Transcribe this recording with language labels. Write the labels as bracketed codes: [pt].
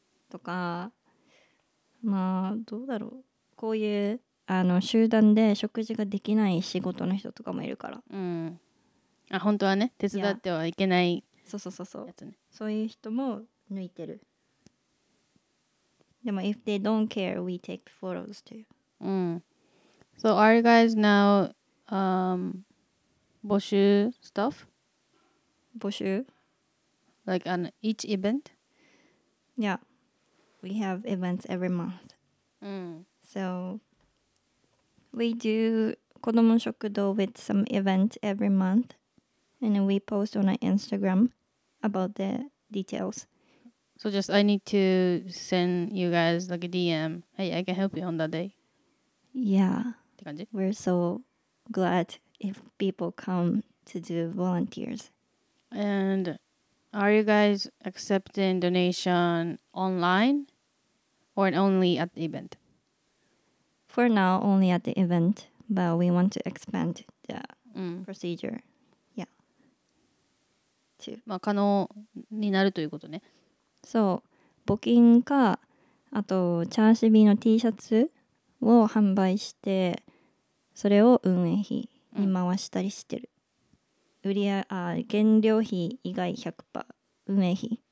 [ja] とか。まあどうだろう、こういうあの集団で食事ができない仕事の人とかもいるから、うん、あ、本当はね、手伝ってはいけない、ね、そうそうそうそう、そういう人も抜いてる。 [en] でも if they don't care we take photos too、うん、So are you guys now 募集 stuff? [ja] 募集 [en] like on each event? YeahWe have events every month.、うん、 so we do 子ども食堂 with some events every month. And we post on our Instagram about the details. So just I need to send you guys like a DM. Hey, I can help you on that day. Yeah. [ja] って感じ? [en] We're so glad if people come to do volunteers. And are you guys accepting donation online? Or only at the event? For now, only at the event. But we want to expand the、うん、procedure. Yeah. [ja] まあ可能になるということね。そう。募金か、あとチャーシビーの T シャツを販売して、それを運営費に回したりしてる。うん、売上、あ、原料費以外 100% 運営費。